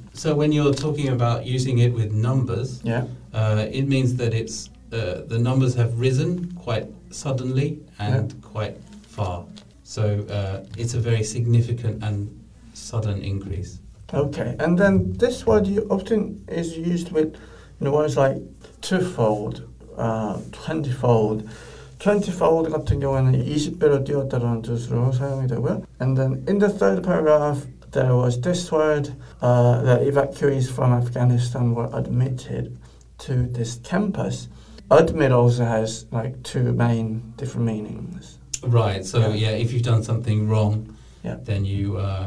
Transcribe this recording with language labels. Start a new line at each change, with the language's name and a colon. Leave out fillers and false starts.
English: So when you're talking about using it with numbers, it means that it's the numbers have risen quite suddenly and quite far. So it's a very significant and sudden increase. Okay, and then this word you often is used with, you know, words like twofold, 20-fold.
Korean: 20-fold 같은 경우에는 20배로 뛰었다라는 뜻으로 사용이 되고요.
English: And then in the third paragraph, there was this word, that evacuees from Afghanistan were admitted to this campus. Admit also has like two main different meanings. Right, so yeah, if you've done something wrong, then you